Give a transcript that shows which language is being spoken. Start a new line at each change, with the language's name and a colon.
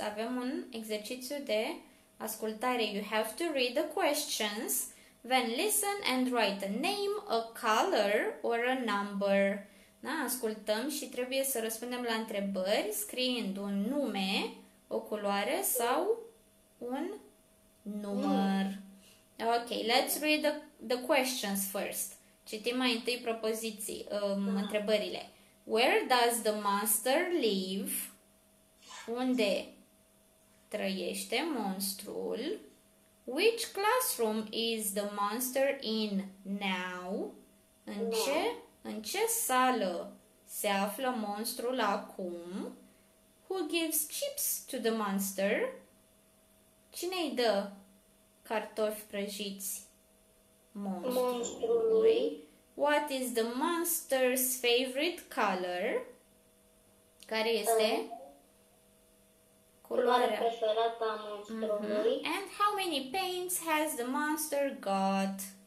Romanian: Avem un exercițiu de ascultare.
English: You have to read the questions, then listen and write a name, a color, or a number.
Romanian: Da? Ascultăm și trebuie să răspundem la întrebări scriind un nume, o culoare sau un număr.
English: Ok, let's read the questions first.
Romanian: Citim mai întâi propoziții, întrebările.
English: Where does the monster live?
Romanian: Unde trăiește monstrul?
English: Which classroom is the monster in now?
Romanian: În ce sală se află monstrul acum?
English: Who gives chips to the monster?
Romanian: Cine îi dă cartofi prăjiți monstrului?
English: What is the monster's favorite color?
Romanian: Care este culoarea preferată a monstrului? Mm-hmm.
English: And how many paints has the monster got?